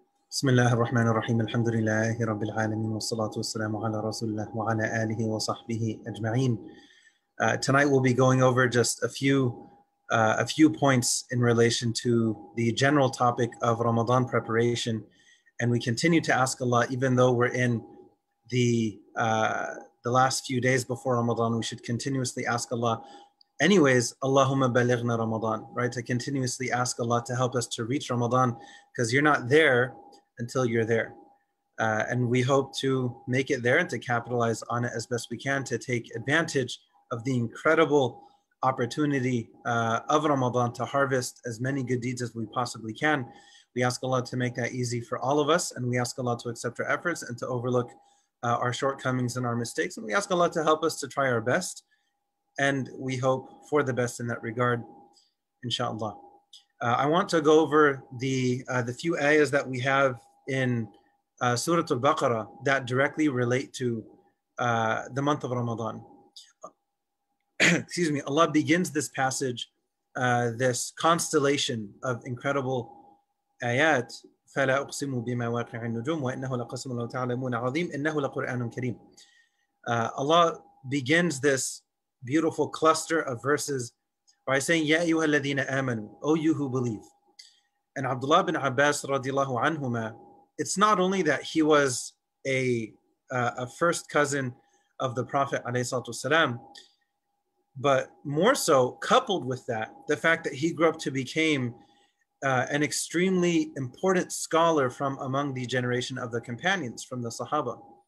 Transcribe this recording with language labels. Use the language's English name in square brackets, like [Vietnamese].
[Arabic] بسم الله الرحمن الرحيم، الحمد لله رب العالمين، والصلاة والسلام على رسول الله وعلى آله وصحبه أجمعين. [English] Tonight we'll be going over just a few points in relation to the general topic of Ramadan preparation, and we continue to ask Allah, even though we're in the last few days before Ramadan, we should continuously ask Allah. Anyways, [Arabic] Allahumma balighna Ramadan, [English] right? To continuously ask Allah to help us to reach Ramadan, because you're not there until you're there. And we hope to make it there and to capitalize on it as best we can, to take advantage of the incredible opportunity of Ramadan to harvest as many good deeds as we possibly can. We ask Allah to make that easy for all of us, and we ask Allah to accept our efforts and to overlook our shortcomings and our mistakes. And we ask Allah to help us to try our best, and we hope for the best in that regard, inshallah. I want to go over the few ayahs that we have in Surah Al-Baqarah that directly relate to the month of Ramadan. Excuse me, Allah begins this passage, this constellation of incredible ayat, [Arabic] فَلَا أُقْسِمُ بِمَا وَاقِعِ النُّجُومِ وَإِنَّهُ لَقَسْمٌ لَوْ تَعْلَمُونَ عَظِيمٌ إِنَّهُ لَقُرْآنٌ كَرِيمٌ. [English] Allah begins this beautiful cluster of verses by saying, [Arabic] يَا أَيُّهَا الَّذِينَ آمَنُوا, [English] O you who believe. And Abdullah bin Abbas radiallahu anhuma, it's not only that he was a first cousin of the Prophet alayhi salatu wasalam, but more so, coupled with that, the fact that he grew up to become an extremely important scholar from among the generation of the companions, from the Sahaba.